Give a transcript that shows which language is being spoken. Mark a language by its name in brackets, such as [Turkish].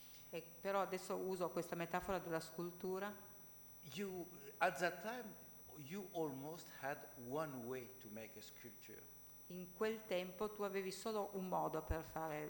[Italian] E però adesso uso questa metafora della scultura. [English] You at that time you almost had one way to make a sculpture. [Italian] In quel tempo tu avevi solo un modo per fare